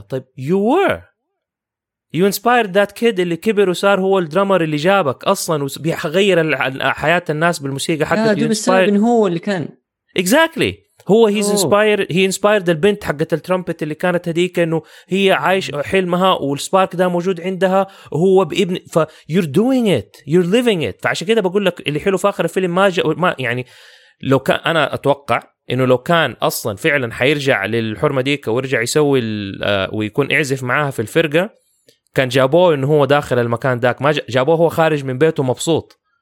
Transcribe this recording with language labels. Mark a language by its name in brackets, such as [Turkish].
[Arabic] طيب you were, you inspired that kid اللي كبر وصار هو الدرامر اللي جابك أصلاً وبيغير حياة الناس بالموسيقى حقه. هذا السبب إن هو اللي كان. [English] Exactly. [Arabic] هو he's inspired, he inspired البنت حقة الترمبت اللي كانت هديك إنه هي عايش حلمها والسبارك ده موجود عندها وهو بابن. [English] ف you're doing it, you're living it. [Arabic] فعشان كده بقول لك اللي حلو في آخر الفيلم ما جاء ما يعني لو كان, أنا أتوقع إنه لو كان أصلاً فعلاً حيرجع للحرمة ديك ويرجع يسوي ويكون يعزف معاها في الفرقة, كان جابوه انه هو داخل المكان ذاك, ما جابوه هو خارج من بيته مبسوط.